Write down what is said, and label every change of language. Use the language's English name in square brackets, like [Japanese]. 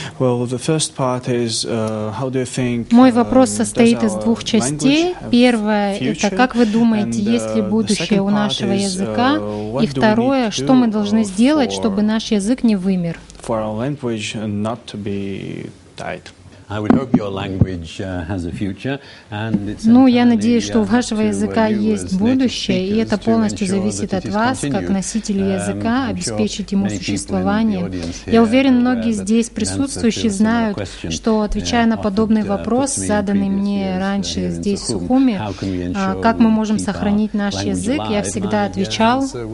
[English] Well, the first part is how do you think? [Russian] Мой вопрос состоит из двух частей. Первое – это как вы думаете, есть ли будущее у нашего языка? И второе – что мы должны сделать, чтобы наш язык не вымер? [English] For our language not to be died. I would hope your language has a future, and it's. [Russian] Ну, я надеюсь, что у вашего языка есть будущее, и это полностью зависит от вас, как носителя языка, обеспечить ему существование. Я уверен, многие здесь присутствующие знают, что отвечая на подобный вопрос, заданный мне раньше здесь в Сухуми, как мы можем сохранить наш язык, я всегда отвечал.